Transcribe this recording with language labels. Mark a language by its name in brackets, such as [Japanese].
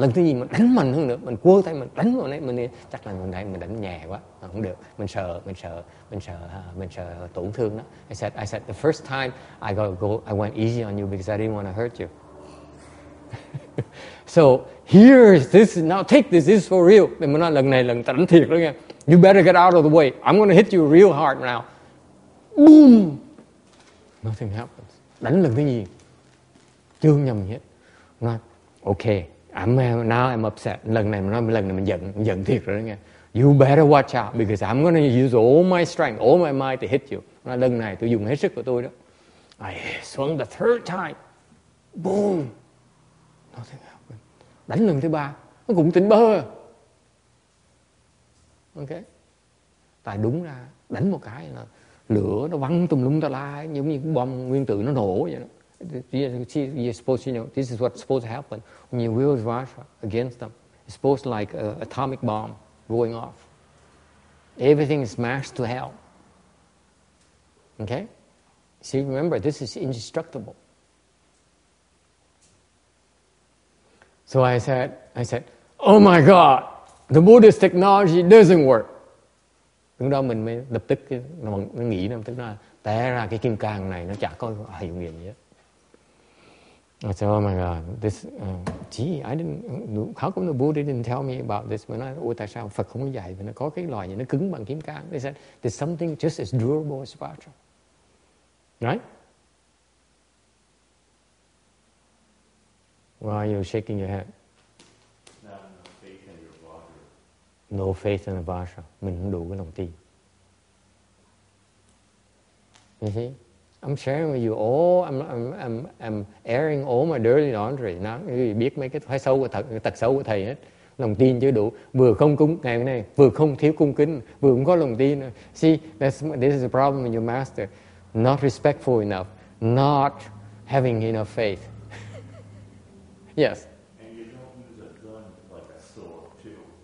[Vietnamese] Lần thứ nhì, mình đánh mạnh hơn nữa. Mình cua tay, mình đánh vào đấy. Chắc là mình đánh nhẹ quá. Không được. Mình sợ tổn thương đó. [English] I said, the first time I went easy on you because I didn't want to hurt you. So, here is this. Now take this. This is for real. Mình nói lần này ta đánh thiệt đó nha. You better get out of the way. I'm going to hit you real hard now. Boom! Nothing happens. [Vietnamese] Đánh lần thứ nhì. Chưa nhầm gì hết. [English] Nói, okay, I'm upset. [Vietnamese] Lần này mình giận thiệt rồi đó nghe. [English] You better watch out because I'm going to use all my strength, all my might to hit you. [Vietnamese] Nói, lần này tôi dùng hết sức của tôi đó. [English] I swung the third time. Boom. Nothing happened. [Vietnamese] Đánh lần thứ ba, nó cũng tỉnh bơ. Okay. Tại đúng ra, đánh một cái là lửa nó văng tùm lum tà la, giống như bom nguyên tử nó nổ vậy đó. [English] You're supposed, you know, this is what's supposed to happen when you wield Vajra against them. It's supposed like an atomic bomb going off. Everything is smashed to hell. Okay? See, remember, this is indestructible. So I said, oh my God, the Buddhist technology doesn't work. [Vietnamese] Lúc đó mình mới lập tức nó nghĩ nó tức là té ra cái kim cang này nó chả có hiệu nghiệm gì. [English] I said, oh my God, this, gee, I didn't, how come the Buddha didn't tell me about this? When I, [Vietnamese] ôi tại sao Phật không dạy, nó có cái loại gì, nó cứng bằng kim cang. [English] They said, there's something just as durable as Vajra. Right? Why are you shaking your head? No faith in the Vajra. No faith in the Vajra. [Vietnamese] Mình không đủ cái lòng tin. [English] You see? I'm sharing with you I'm airing all my dirty laundry. [Vietnamese] Now, biết mấy cái thói xấu của thật, tật xấu của thầy hết. Lòng tin chưa đủ, vừa không cung ngày hôm nay, vừa không thiếu cung kính, vừa không có lòng tin. [English] See, this is the problem with your master. Not respectful enough, not having enough faith. Yes. And you don't use a gun like a sword too.